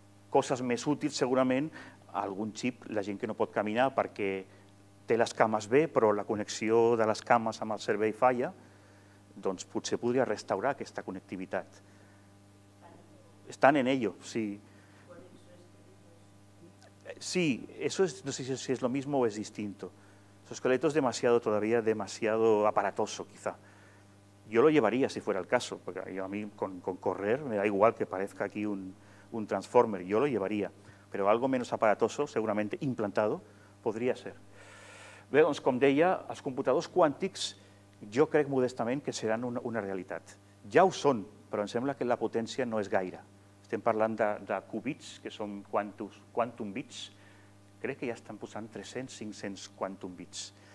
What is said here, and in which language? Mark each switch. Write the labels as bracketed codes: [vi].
[ca] Coses més útils, segurament, algun xip, la gent que no pot caminar perquè té les cames bé, però la connexió de les cames amb el cervell falla, doncs potser podria restaurar aquesta connectivitat. [es] Estan en ello, sí. Sí, eso es, no sé si es lo mismo o es distinto. Su esqueleto es demasiado, todavía demasiado aparatoso, quizá. Yo lo llevaría si fuera el caso, porque yo, a mí con correr me da igual que parezca aquí un transformer, yo lo llevaría. Pero algo menos aparatoso, seguramente implantado, podría ser. [ca] Bé, doncs, com deia, els computadors quàntics jo crec modestament que seran una realitat. Ja ho són, però em sembla que la potència no és gaire. Estem parlant de qubits, que són quantum bits. Crec que ja estan posant 300-500 quantum bits.